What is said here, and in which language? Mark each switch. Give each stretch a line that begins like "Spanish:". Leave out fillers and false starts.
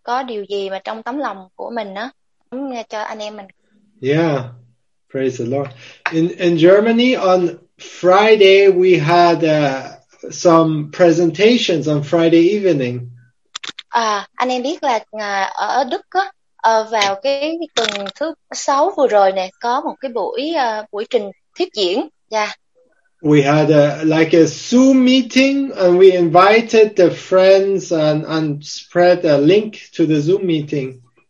Vietnamese: có điều gì mà trong tấm lòng của mình á, nghe cho anh em mình.
English: Yeah, praise the Lord. In Germany on Friday we had some presentations on Friday evening.
Vietnamese: À, anh em biết là ở Đức á, vào cái tuần thứ sáu vừa rồi nè, có một cái buổi buổi trình thuyết diễn.
English: We had a like a Zoom meeting and we invited the friends and spread a link to the Zoom meeting.